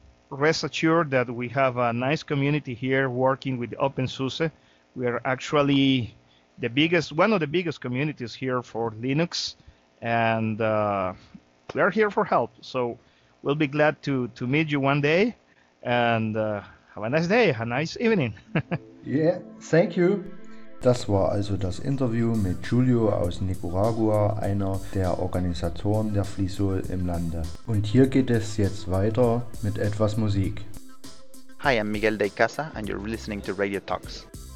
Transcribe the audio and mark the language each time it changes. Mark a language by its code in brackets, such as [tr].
[en] Rest assured that we have a nice community here working with OpenSUSE. We are actually the biggest, one of the biggest communities here for Linux, and we are here for help. So we'll be glad to meet you one day, and have a nice day, a nice evening. Yeah, thank you. [de] Das war also das Interview mit Giulio aus Nicaragua, einer der Organisatoren der FliSol im Lande. Und hier geht es jetzt weiter mit etwas Musik. [en] Hi, I'm Miguel de Casa and you're listening to Radio Talks.